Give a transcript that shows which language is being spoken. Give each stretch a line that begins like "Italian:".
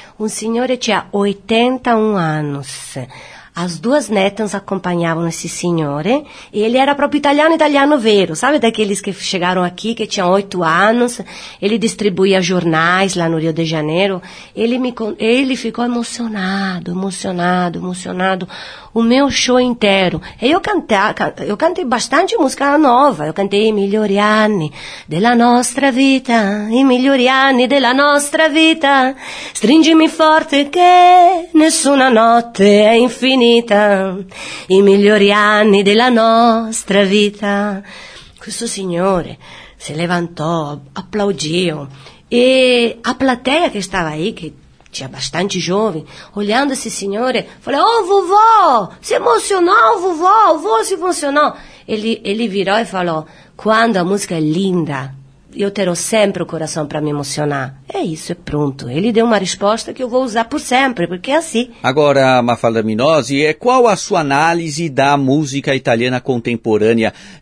Portuguese: Um senhor tinha 81 anos. As duas netas acompanhavam esse senhor, e ele era próprio italiano vero, sabe, daqueles que chegaram aqui, que tinham 8 anos, ele distribuía jornais lá no Rio de Janeiro, ele ficou emocionado, o meu show inteiro. Eu cantei bastante música nova, eu cantei
Italian: I migliori anni della nostra vita, stringimi forte che nessuna notte è infinita. I migliori anni della nostra vita. Questo signore si levantò, applaudì, e a platea che stava lì, che c'era abbastanza giovane,
Portuguese: olhando esse signore, falou:
Italian: Oh, vovò, si emozionò, vovò, vovò si emozionò.
Portuguese: Ele virou e falou: Quando a música è linda,
Italian: io terrò sempre
Portuguese: o coração para me emocionar. É isso, é pronto. Ele deu uma resposta que eu vou usar por sempre, porque é assim. Agora, Mafalda Minosi, qual a sua análise da música italiana contemporânea?